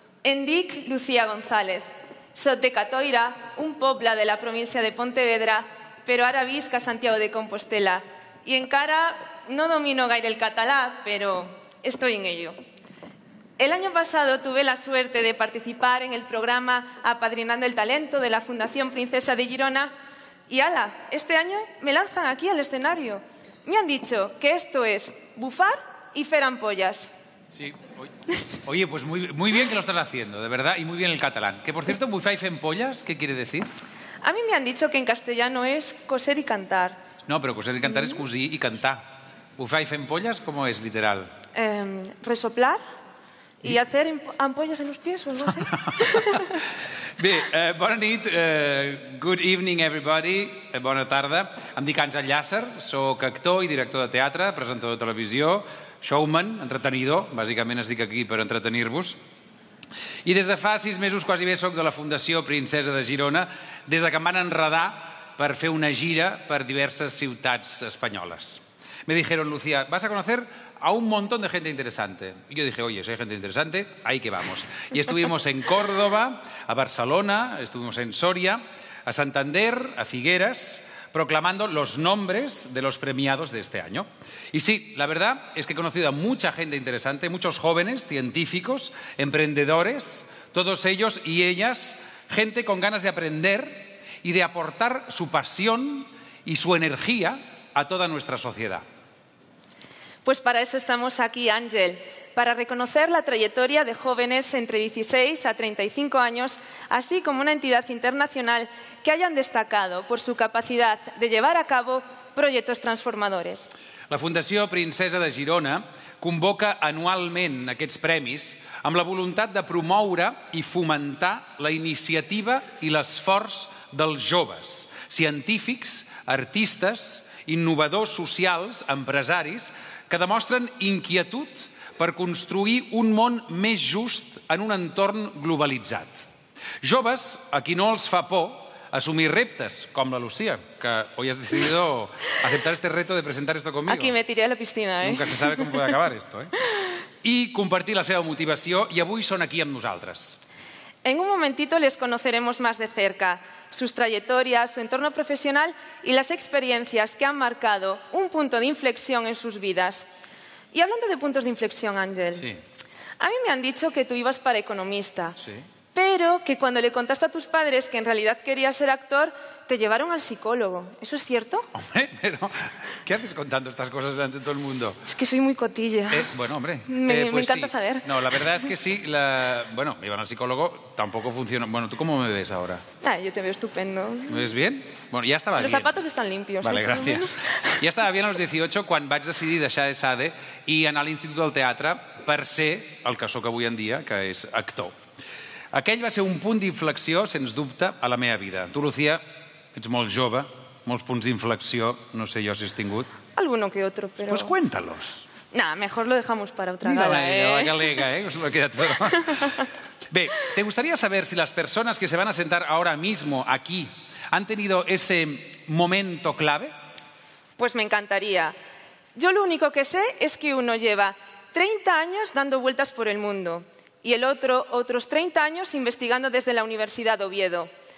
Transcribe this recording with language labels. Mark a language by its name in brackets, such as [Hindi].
[Catalan] Em dic Lucía González, soc de Catoira, un poble de la província de Pontevedra, però ara visc a Santiago de Compostela i encara no domino gaire el català, però [Spanish] estoy en ello. El año pasado tuve la suerte de participar en el programa Apadrinando el Talento de la Fundación Princesa de Girona. Y ala, este año me lanzan aquí al escenario. Me han dicho que esto es bufar y fer ampollas. Sí. Oye, pues muy, muy bien que lo estás haciendo, de verdad, y muy bien el catalán. Que por cierto, bufar y fer ampollas, ¿qué quiere decir? A mí me han dicho que en castellano es coser y cantar. No, pero coser y cantar es cosir y cantar. Bufar y fer ampollas, ¿cómo es literal? Resoplar y hacer ampollas en los pies, ¿o no? [Catalan] Bé, bona nit, [English] good evening everybody, [Catalan] bona tarda. Em dic Àngel Llàcer, sóc actor i director de teatre, presentador de televisió, showman, entretenidor, bàsicament estic aquí per entretenir-vos. I des de fa 6 mesos quasi bé sóc de la Fundació Princesa de Girona, des de que em van enredar per fer una gira per diverses ciutats espanyoles. [Spanish] Me dijeron, Lucía, vas a conocer a un montón de gente interesante. Y yo dije, oye, si hay gente interesante, ahí que vamos. Y estuvimos en Córdoba, a Barcelona, estuvimos en Soria, a Santander, a Figueras, proclamando los nombres de los premiados de este año. Y sí, la verdad es que he conocido a mucha gente interesante, muchos jóvenes, científicos, emprendedores, todos ellos y ellas, gente con ganas de aprender y de aportar su pasión y su energía a toda nuestra sociedad. Pues para eso estamos aquí, Ángel, para reconocer la trayectoria de jóvenes entre 16 a 35 años, así como una entidad internacional que hayan destacado por su capacidad de llevar a cabo proyectos transformadores. [Catalan] La Fundació Princesa de Girona convoca anualment aquests premis amb la voluntat de promoure i fomentar la iniciativa i l'esforç dels joves, científics, artistes, innovadors socials, empresaris, que demostren inquietud per construir un món més just en un entorn globalitzat. Joves a qui no els fa por assumir reptes, com la Lucía, que [Spanish] hoy has decidido aceptar este reto de presentar esto conmigo. Aquí me tiré a la piscina, ¿eh? Nunca se sabe cómo puede acabar esto, ¿eh? [Catalan] I compartir la seva motivació, i avui són aquí amb nosaltres. [Spanish] En un momentito les conoceremos más de cerca, sus trayectorias, su entorno profesional y las experiencias que han marcado un punto de inflexión en sus vidas. Y hablando de puntos de inflexión, Ángel, sí. A mí me han dicho que tú ibas para economista, sí. Pero que cuando le contaste a tus padres que en realidad querías ser actor, te llevaron al psicólogo. ¿Eso es cierto? Hombre, pero ¿qué haces contando estas cosas delante de todo el mundo? Es que soy muy cotilla. Bueno, hombre. Me encanta saber. No, la verdad es que sí. Bueno, me iban al psicólogo, tampoco funcionó. Bueno, ¿tú cómo me ves ahora? Ah, yo te veo estupendo. ¿Me ves bien? Bueno, ya estaba los bien. Los zapatos están limpios. Vale, ¿eh? Gracias. [Catalan] Ja estava [Spanish] bien a los [Catalan] 18 quan vaig decidir deixar ESADE i anar a l'Institut del Teatre per ser el que sóc avui en dia, que és actor. Aquell va ser un punt d'inflexió, sens dubte, a la meva vida. Tu, Lucía, ets molt jove, molts punts d'inflexió, no sé jo si has tingut. [Spanish] Alguno que otro, pero... Pues cuéntalos. Nah, mejor lo dejamos para otra mira gala, ella, la galega, que se lo queda todo. Bé, te gustaría saber si las personas que se van a sentar ahora mismo aquí han tenido ese momento clave? Pues me encantaría. Yo lo único que sé es que uno lleva 30 años dando vueltas por el mundo y el otro otros 30 años investigando desde la Universidad de Oviedo.